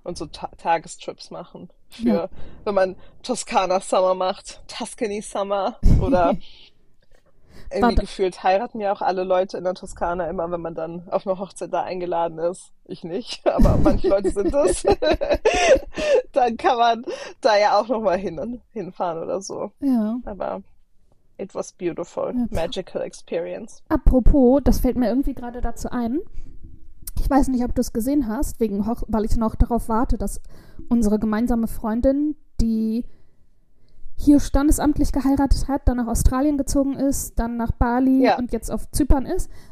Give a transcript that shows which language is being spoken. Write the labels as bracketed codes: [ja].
[de] Und so Ta Tagestrips machen für, wenn man Toskana Summer macht, Tuscany Summer oder irgendwie gefühlt heiraten ja auch alle Leute in der Toskana immer, wenn man dann auf eine Hochzeit da eingeladen ist. Ich nicht, aber manche Leute sind es. Dann kann man da ja auch nochmal hinfahren oder so. [en] Aber it was beautiful, magical experience. [de] Apropos, das fällt mir irgendwie gerade dazu ein. Ich weiß nicht, ob du es gesehen hast, wegen weil ich noch darauf warte, dass unsere gemeinsame Freundin, die hier standesamtlich geheiratet hat, dann nach Australien gezogen ist, dann nach Bali Ja. und jetzt auf Zypern ist.